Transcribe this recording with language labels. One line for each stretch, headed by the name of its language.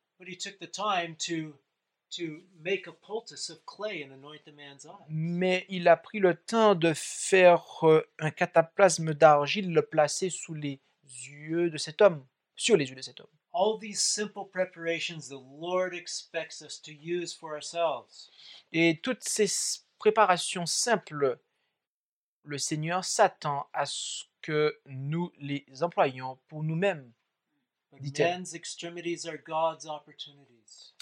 English: But he took the time to make a poultice of clay and anoint the man's eyes.
French: Mais il a pris le temps de faire un cataplasme d'argile, le placer sous les yeux de cet homme, sur les yeux de cet homme.
English: All these simple preparations the Lord expects us to use for ourselves.
French: Et toutes ces préparations simples, le Seigneur s'attend à ce que nous les employions pour nous-mêmes.
English: Man's extremities are God's opportunities.